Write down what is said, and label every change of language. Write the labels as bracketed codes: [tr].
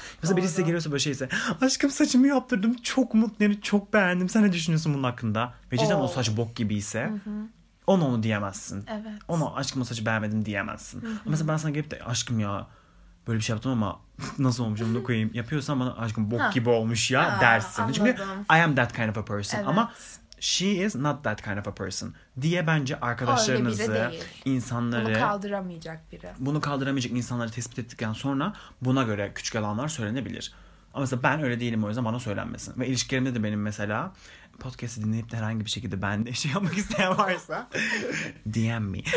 [tr] Mesela birisi size geliyorsa böyle şeyse. Aşkım, saçımı yaptırdım. Çok mutluyum. Çok beğendim. Sen ne düşünüyorsun bunun hakkında? Ve cidden o saç bok gibiyse. Onu diyemezsin. Evet. Ona aşkım o saçı beğenmedim diyemezsin. Hı-hı. Mesela ben sana gelip de aşkım ya. Böyle bir şey yaptım ama nasıl olmuş onu da koyayım. Yapıyorsan bana aşkım bok gibi olmuş ya dersin. [en] Çünkü I am that kind of a person. [tr] Evet. Ama [en] she is not that kind of a person. [tr] Diye bence arkadaşlarınızı, insanları... Bunu kaldıramayacak biri. Bunu kaldıramayacak insanları tespit ettikten sonra buna göre küçük yalanlar söylenebilir. Ama mesela ben öyle değilim, o yüzden bana söylenmesin. Ve ilişkilerimde de benim mesela podcast'ı dinleyip de herhangi bir şekilde ben de şey yapmak isteyen varsa DM me.